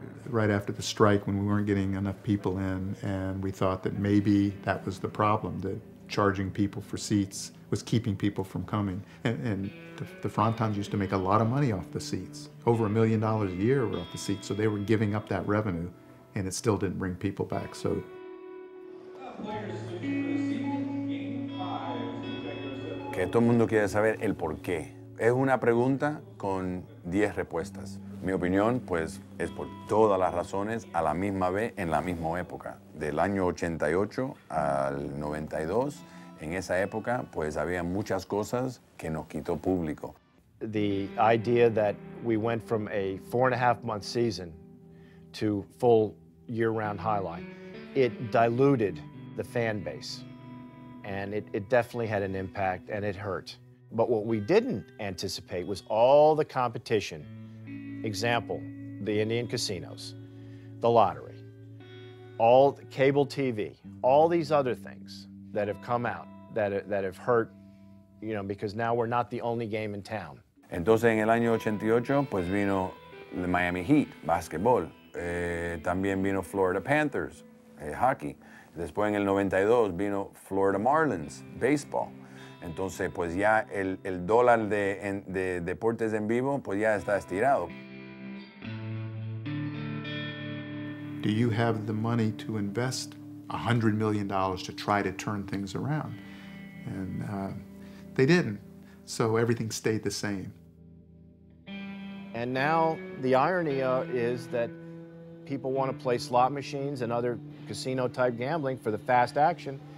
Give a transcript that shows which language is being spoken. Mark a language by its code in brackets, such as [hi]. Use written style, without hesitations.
[en] Right after the strike, when we weren't getting enough people in, and we thought that maybe that was the problem, that charging people for seats was keeping people from coming. And the Frontons used to make a lot of money off the seats. Over $1 million a year were off the seats, so they were giving up that revenue, and it still didn't bring people back, so. [es] Que todo el mundo quiere saber el por qué. Es una pregunta con 10 respuestas. Mi opinión, pues, es por todas las razones a la misma vez, en la misma época. Del año 88 al 92, en esa época, pues, había muchas cosas que nos quitó público. [en] The idea that we went from a 4.5-month season to full year-round highlight, it diluted the fan base. And it definitely had an impact, and it hurt. But what we didn't anticipate was all the competition. Example, the Indian casinos, the lottery, all cable TV, all these other things that have come out that have hurt, you know, because now we're not the only game in town. [es] Entonces, en el año 88, pues vino the Miami Heat, basketball. También vino Florida Panthers, hockey. Después, en el 92, vino Florida Marlins, baseball. Entonces, pues ya el dólar de deportes en vivo, pues ya está estirado. [en] Do you have the money to invest $100 million to try to turn things around? And they didn't, so everything stayed the same. And now the irony is that people want to play slot machines and other casino-type gambling for the fast action.